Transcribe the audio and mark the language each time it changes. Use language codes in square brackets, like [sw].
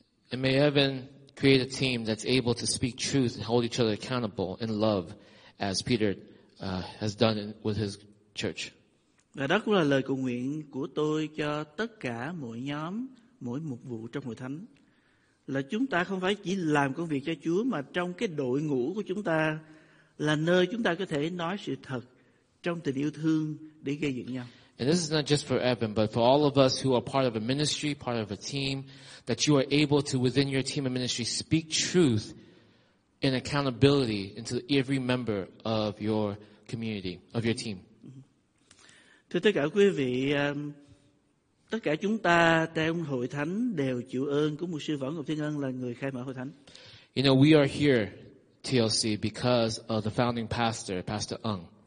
[en] And may Evan create a team that's able to speak truth and hold each other accountable in love as Peter has done with his church. [vi] Và đó cũng là lời cầu nguyện của tôi cho tất cả mỗi nhóm, mỗi mục vụ trong hội thánh, là chúng ta không phải chỉ làm công việc cho Chúa mà trong cái đội ngũ của chúng ta là nơi chúng ta có thể nói sự thật trong tình yêu thương để gây dựng nhau. [en] And this is not just for Evan, but for all of us who are part of a ministry, part of a team, that you are able to, within your team and ministry, speak truth and accountability into every member of your community, of your team. [vi] Thưa tất cả quý vị, tất cả chúng ta trong hội thánh đều chịu ơn của mục sư Võ Ngọc Thiên Ân là người khai mở hội thánh. [en] You know, we are here, TLC, because of the founding pastor, Pastor Ân.